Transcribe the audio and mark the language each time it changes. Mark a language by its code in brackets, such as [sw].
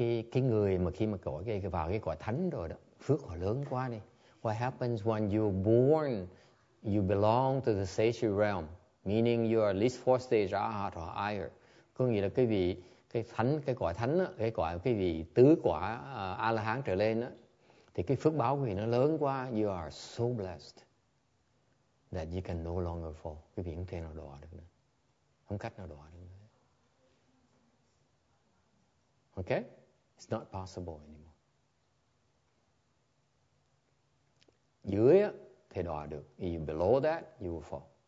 [vi] Cái người mà khi mà cõi vào cái quả thánh rồi đó, phước họ lớn quá đi. [en] What happens when you're born, you belong to the sage realm, meaning you are at least four stage arhat or higher. [vi] Có nghĩa là cái quả tứ quả A-la-hán trở lên á, thì cái phước báo của vị nó lớn quá. [en] You are so blessed that you can no longer fall. [vi] Cái vị không thể nào đọa được nữa. Không cách nào đọa được nữa. [en] Okay? It's not possible anymore. [vi] Dưới á, thì đọa được. [en] Even below that, you will fall.